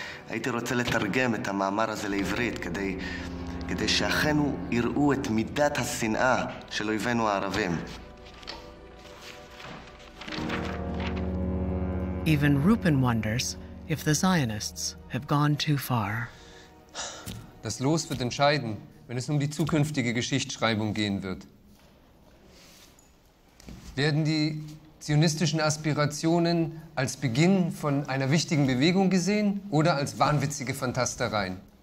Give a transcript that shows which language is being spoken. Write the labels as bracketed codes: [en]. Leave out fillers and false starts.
[he] הייתי רוצה לתרגם את המאמר הזה לעברית כדי שאחינו יראו את מידת השנאה של אויבינו הערבים. [en] Even Rupin wonders if the Zionists have gone too far. [de] Das Los wird entscheiden, wenn es um die zukünftige Geschichtsschreibung gehen wird. Werden die zionistischen Aspirationen als Beginn von einer wichtigen Bewegung gesehen oder als wahnwitzige Fantastereien?